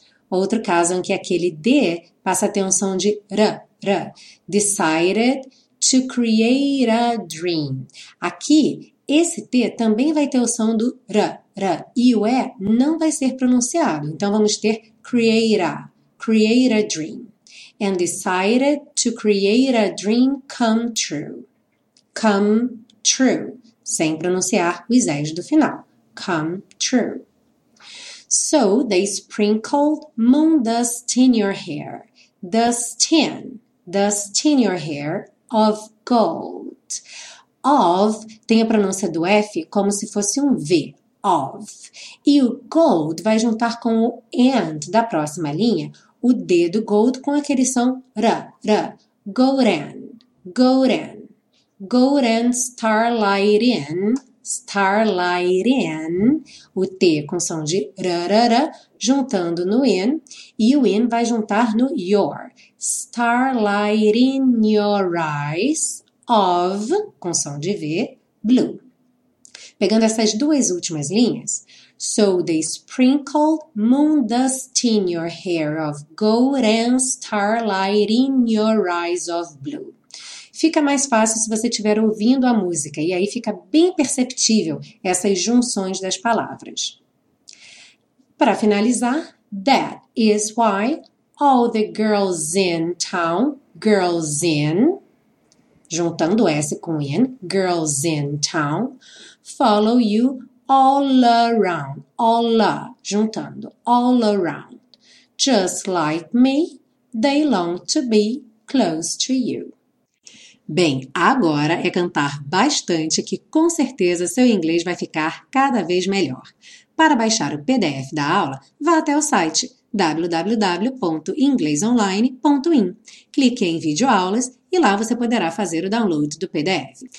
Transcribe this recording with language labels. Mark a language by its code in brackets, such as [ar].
[pt] Outro caso em que aquele D passa a ter um som de R, R. [en] Decided to create a dream. [pt] Aqui, esse T também vai ter o som do R, R. E o E não vai ser pronunciado. Então, vamos ter [en] create a dream. And decided to create a dream come true. Come true. [pt] Sem pronunciar os E's do final. [en] Come true. So they sprinkled moon dust in your hair. Dust in your hair of gold. [pt] Of tem a pronúncia do F como se fosse um V. Of. E o gold vai juntar com o and da próxima linha, o D do gold com aquele som R, R. [en] Golden. Golden starlight in. Starlight in, [pt] o T com som de rarara, juntando no in, e o in vai juntar no your. [en] Starlight in your eyes of, [pt] com som de V, [en] blue. [pt] Pegando essas duas últimas linhas, [en] So they sprinkle moon dust in your hair of gold and starlight in your eyes of blue. [pt] Fica mais fácil se você estiver ouvindo a música, e aí fica bem perceptível essas junções das palavras. Para finalizar, [en] that is why all the girls in town, girls in, [pt] juntando S com in, [en] girls in town, follow you all around, all, [pt] juntando, [en] all around. Just like me, they long to be close to you. [pt] Bem, agora é cantar bastante que com certeza seu inglês vai ficar cada vez melhor. Para baixar o PDF da aula, vá até o site www.inglesonline.in. Clique em videoaulas e lá você poderá fazer o download do PDF.